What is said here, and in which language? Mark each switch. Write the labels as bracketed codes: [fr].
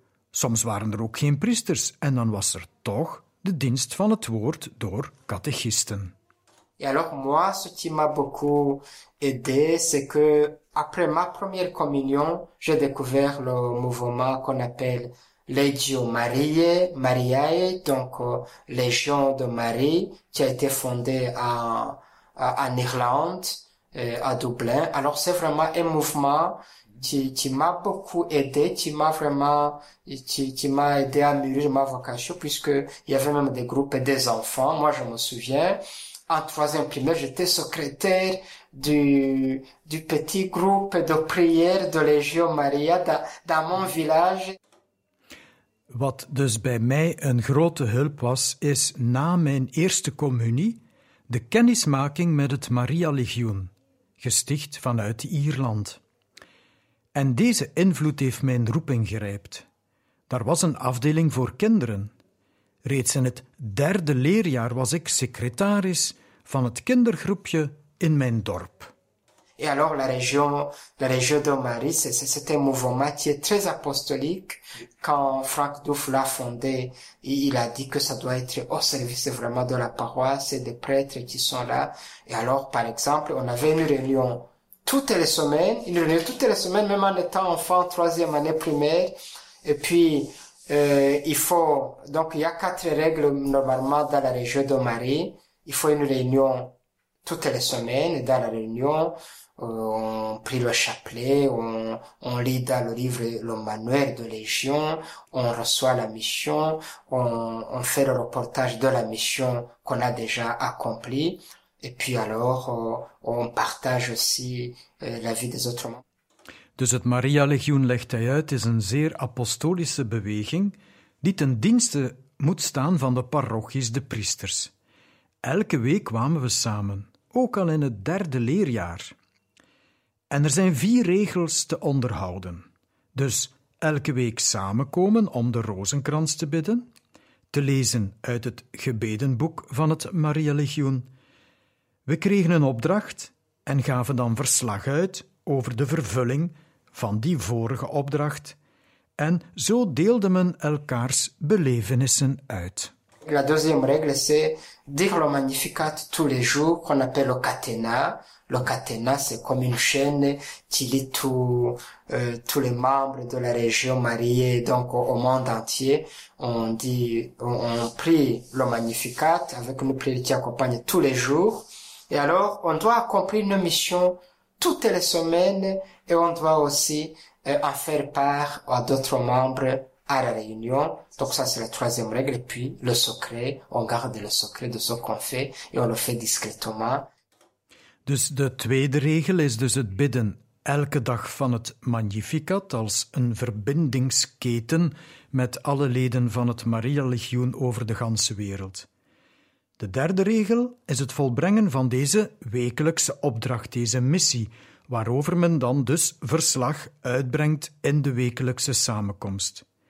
[nl] Soms waren er ook geen priesters en dan was er toch de dienst van het woord door catechisten. [fr] Et alors moi, ce qui m'a beaucoup aidé, c'est que après ma première communion, j'ai découvert le mouvement qu'on appelle Legio Mariae, Mariae, donc Légion de Marie, qui a été fondée en Irlande, à Dublin. Alors c'est vraiment un mouvement qui m'a beaucoup aidé, qui m'a aidé à mûrir ma vocation, puisque il y avait même des groupes des enfants. Moi, je me souviens, en troisième primaire, j'étais secrétaire du petit groupe de prière de Légion Maria dans mon village. [nl] Wat dus bij mij een grote hulp was, is na mijn eerste communie de kennismaking met het Maria-legioen, gesticht vanuit Ierland. En deze invloed heeft mijn roeping gerijpt. Daar was een afdeling voor kinderen. Reeds in het derde leerjaar was ik secretaris van het kindergroepje in mijn dorp. [fr] Et alors la région de Marie, c'était un mouvement qui est très apostolique. Quand Franck Duff l'a fondé, il a dit que ça doit être au service vraiment de la paroisse et des prêtres qui sont là. Et alors, par exemple, on avait une réunion toutes les semaines, même en étant enfant, troisième année primaire. Et puis, il y a quatre règles normalement dans la région de Marie. Il faut une réunion toutes les semaines. Dans la réunion, on prie le chapelet, on lit dans le livre le manuel de Légion, on reçoit la mission, on fait le reportage de la mission qu'on a déjà accomplie, et puis alors on partage aussi la vie des autres membres. [nl] Dus het Maria Legioen, legt hij uit, is een zeer apostolische beweging die ten dienste moet staan van de parochies, de priesters. Elke week kwamen we samen, ook al in het derde leerjaar. En er zijn vier regels te onderhouden. Dus elke week samenkomen om de rozenkrans te bidden, te lezen uit het gebedenboek van het Maria Legioen. We kregen een opdracht en gaven dan verslag uit over de vervulling van die vorige opdracht. En zo deelde men elkaars belevenissen uit. [fr] La deuxième règle, c'est dire le Magnificat tous les jours, qu'on appelle le catena. Le catena, c'est comme une chaîne qui lie tous les membres de la région mariée, donc au monde entier. On prie le Magnificat avec une prière qui accompagne tous les jours. Et alors, on doit accomplir une mission toutes les semaines et on doit aussi en faire part à d'autres membres à la réunion. Donc ça, c'est la troisième règle. Et puis, le secret, on garde le secret de ce qu'on fait et on le fait discrètement. [nl] Dus de tweede regel is dus het bidden elke dag van het Magnificat als een verbindingsketen met alle leden van het Maria Legioen over de ganse wereld. De derde regel is het volbrengen van deze wekelijkse opdracht, deze missie, waarover men dan dus verslag uitbrengt in de wekelijkse samenkomst.